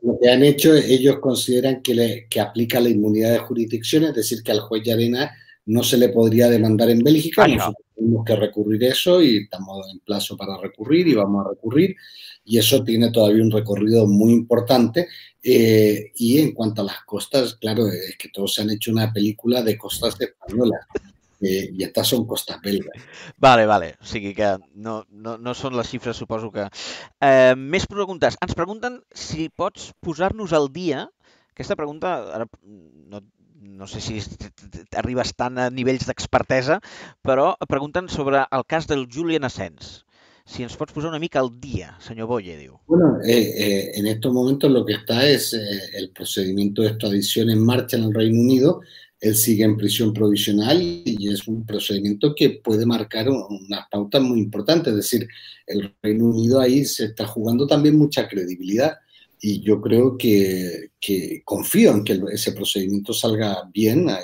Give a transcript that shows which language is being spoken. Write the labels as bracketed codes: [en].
[es] Lo que han hecho, ellos consideran que aplica la inmunidad de jurisdicción, es decir, que al juez Llarena no se le podría demandar en Bélgica. Ay, nosotros no. Tenemos que recurrir eso y estamos en plazo para recurrir y vamos a recurrir. Y eso tiene todavía un recorrido muy importante. Y en cuanto a las costas, claro, es que todos se han hecho una película de costas españolas. [ca] I estas són costes belgues. Vale, vale. O sigui que no són les xifres, suposo que... Més preguntes. Ens pregunten si pots posar-nos al dia. Aquesta pregunta, ara no sé si arribes tant a nivells d'expertesa, però pregunten sobre el cas del Julian Assange. Si ens pots posar una mica al dia, senyor Boye, diu. [es] Bueno, en estos momentos lo que está es el procedimiento de extradición en marcha en el Reino Unido. Él sigue en prisión provisional y es un procedimiento que puede marcar unas pautas muy importantes. Es decir, el Reino Unido ahí se está jugando también mucha credibilidad y yo creo que confío en que ese procedimiento salga bien.